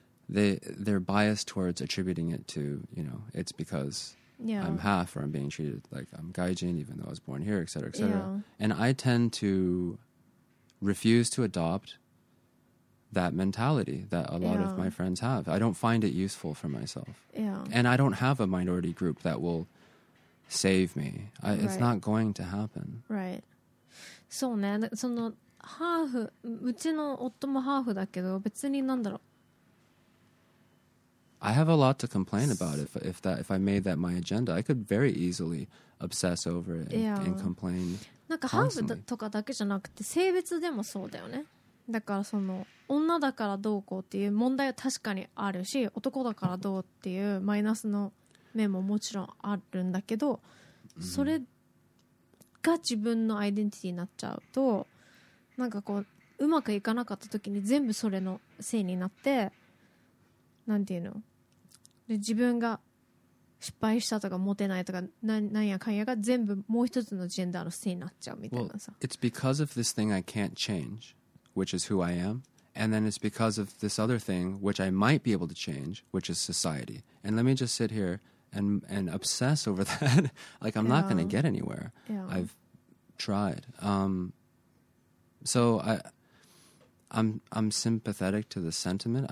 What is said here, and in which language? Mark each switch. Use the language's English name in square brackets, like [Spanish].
[English] they're biased towards attributing it to, you know, it's because I'm half or I'm being treated like I'm gaijin, even though I was born here, et cetera, et cetera. Yeah. And I tend to refuse to adopt that mentality that a lot of my friends have. I don't find it useful for myself. Yeah. And I don't have a minority group that will save me. It's not going to happen. Right. [Japanese] そうね。そのハーフ、うちの夫もハーフだけど、別になんだろう。 [English] I have a lot to complain about if I made that my agenda. I could very easily obsess over it and complain. [Japanese] なんかハーフとかだけじゃなくて性別でもそうだよね。だからその女だからどうこうっていう問題は確かにあるし、男だからどうっていうマイナスの面ももちろんあるんだけど、それが自分のアイデンティティになっちゃうと、なんかこううまくいかなかった時に全部それのせいになって、なんていうの、で自分が失敗したとかモテないとか なんやかんやが全部もう一つのジェンダーのせいになっちゃうみたいなさ。 [English] Well, it's because of this thing I can't change, which is who I am, and then it's because of this other thing which I might be able to change, which is society. And let me just sit here and obsess over that. Like I'm not going to get anywhere. Yeah. I've tried. So I'm sympathetic to the sentiment.